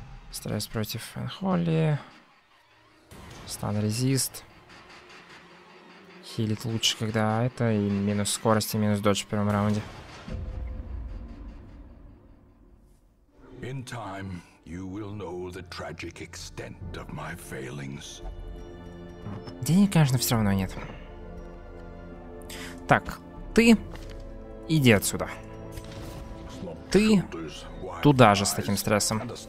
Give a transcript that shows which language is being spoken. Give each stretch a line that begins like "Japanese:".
Russian: Стресс против Энхолли. Стан резист. Хилит лучше, когда это. И минус скорость, и минус додж в первом раунде.
English: In time, you will know the tragic extent of my failings.
Russian: Денег, конечно, все равно нет. Так, ты иди отсюда. Ты туда же с таким стрессом.